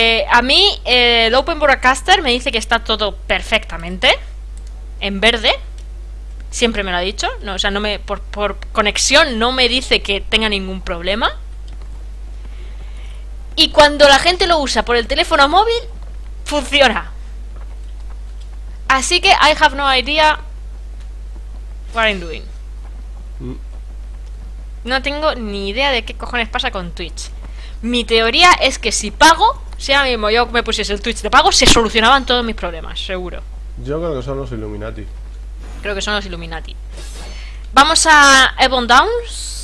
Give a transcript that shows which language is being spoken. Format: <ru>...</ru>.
<es>A mí, el Open Broadcaster me dice que está todo perfectamente. En verde. Siempre me lo ha dicho. No, o sea, no me. Por conexión no me dice que tenga ningún problema. Y cuando la gente lo usa por el teléfono móvil, funciona. Así que</es> <en>I have no idea what I'm doing.</en> <es>No tengo ni idea de qué cojones pasa con Twitch. Mi teoría es que si pago, sea mismo yo me pusiese el Twitch de pago, se solucionaban todos mis problemas, seguro. Yo creo que son los Illuminati. Creo que son los Illuminati. Vamos a Ebon Downs.</es>